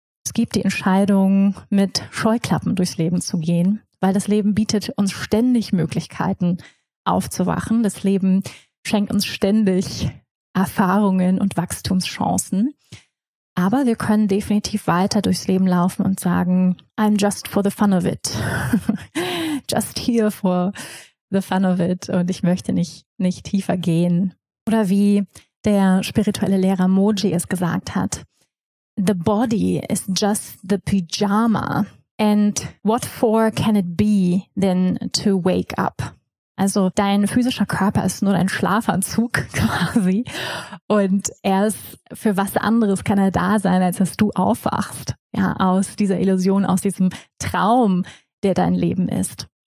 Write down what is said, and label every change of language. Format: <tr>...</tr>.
<de>Es gibt die Entscheidung, mit Scheuklappen durchs Leben zu gehen, weil das Leben bietet uns ständig Möglichkeiten aufzuwachen. Das Leben schenkt uns ständig Erfahrungen und Wachstumschancen. Aber wir können definitiv weiter durchs Leben laufen und sagen,</de> <en>I'm just for the fun of it. Just here for the fun of it.</en> <de>Und ich möchte nicht tiefer gehen. Oder wie der spirituelle Lehrer Moji es gesagt hat:</de> <en>The body is just the pyjama, and what for can it be then to wake up?</en> <de>Also dein physischer Körper ist nur dein Schlafanzug quasi, und er ist, für was anderes kann er da sein, als dass du aufwachst, ja, aus dieser Illusion, aus diesem Traum, der dein Leben ist.</de>